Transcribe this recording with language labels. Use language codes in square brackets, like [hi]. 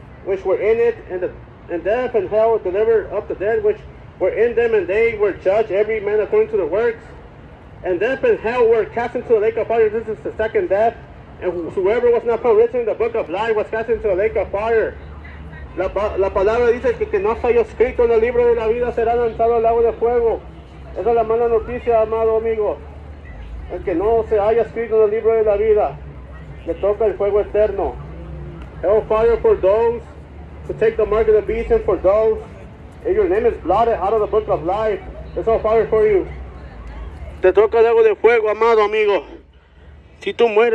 [en] which were in it, and death and hell delivered up the dead which were in them, and they were judged, every man according to their works. And death and hell were cast into the lake of fire. This is the second death. And whoever was not found written in the book of life was cast into the lake of fire. [es] La palabra dice que no haya escrito en el libro de la vida será lanzado al lago de fuego. Esa es la mala noticia, amado amigo. El que no se haya escrito en el libro de la vida le toca el fuego eterno. [en] Hell fire for those to take the mark of the beast, and for those if your name is blotted out of the book of life, it's all fire for you. [es] Te toca el lago de fuego, amado amigo. Si tú mueres.